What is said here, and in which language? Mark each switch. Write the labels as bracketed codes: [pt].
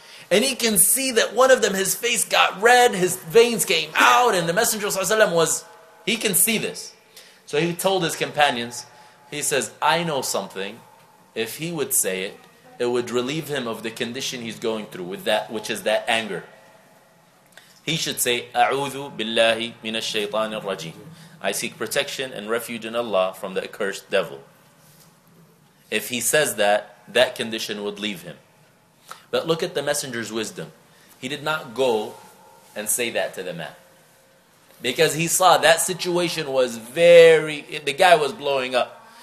[en] And he can see that one of them, his face got red, his veins came out, and the Messenger ﷺ was, he can see this. So he told his companions, he says, I know something. If he would say it, it would relieve him of the condition he's going through, with that, which is that anger. He should say, [ar] أعوذ بالله من الشيطان الرجيم. [en] I seek protection and refuge in Allah from the accursed devil. If he says that, that condition would leave him. But look at the Messenger's wisdom. He did not go and say that to the man. Because he saw that situation was very... The guy was blowing up.